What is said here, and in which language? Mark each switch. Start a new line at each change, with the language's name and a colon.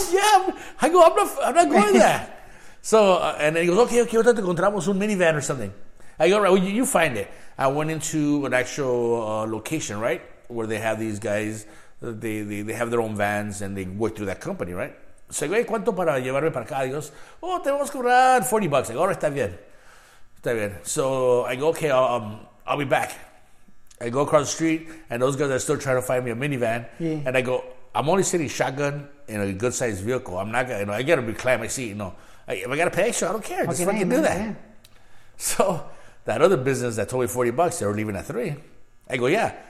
English: Yeah. I go, I'm not going to that. So, and then he goes, okay, we'll have to
Spanish: encontramos un minivan
English: or something. I go, right, well, you find it. I went into an actual location, right, where they have these guys, they have their own vans, and they work through that company, right? So I go, hey,
Spanish: ¿cuánto para llevarme para acá?
English: He goes, oh,
Spanish: te vamos a cobrar $40.
English: I go, all right,
Spanish: está bien.
English: So I go, okay, I'll be back. I go across the street, and those guys are still trying to find me a minivan. Yeah. And I go, I'm only sitting shotgun in a good-sized vehicle. I'm not going to, you know, I got to recline my seat, you know. If I got to pay extra, I don't care. Just fucking do that. So that other business that told me $40, they were leaving at 3. I go, yeah.